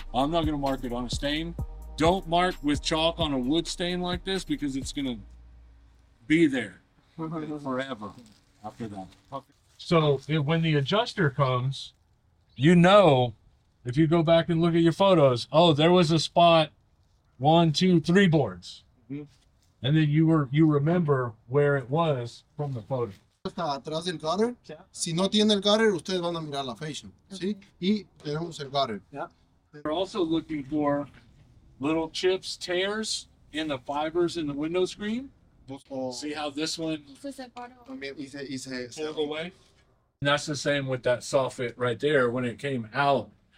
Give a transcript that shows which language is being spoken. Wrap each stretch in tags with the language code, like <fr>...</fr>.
<en>I'm not going to mark it on a stain. Don't mark with chalk on a wood stain like this because it's going to be there forever after that. So when the adjuster comes, you know, if you go back and look at your photos, oh, there was a spot, 1, 2, 3 boards. Mm-hmm. And then you remember where it was from the photo.</en> <es>Está atrás del gutter.</es> <en>Yeah.</en> <es>Si no tiene el gutter, ustedes van a mirar la fascia. ¿Sí? Y tenemos el gutter.</es> <en>Yeah. We're also looking for little chips, tears in the fibers in the window screen. See how this one pulled away? And that's the same with that soffit right there when it came out.</en>